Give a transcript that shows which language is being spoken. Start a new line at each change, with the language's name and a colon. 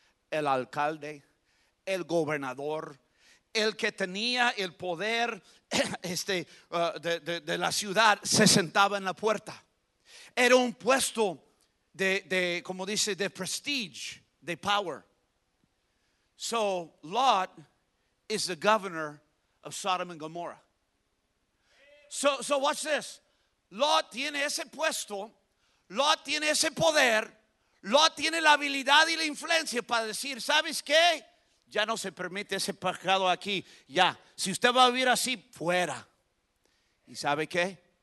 Spanish: El alcalde, el gobernador, el que tenía el poder de la ciudad, se sentaba en la puerta. Era un puesto de como dice, de prestige, de power.
English: So Lot is the governor of Sodom and Gomorrah. So watch this.
Spanish: Lot tiene ese puesto, Lot tiene ese poder, Lot tiene la habilidad y la influencia para decir, ¿sabes qué? Ya no se permite ese pecado aquí, ya. Si usted va a vivir así, fuera. ¿Y sabe qué?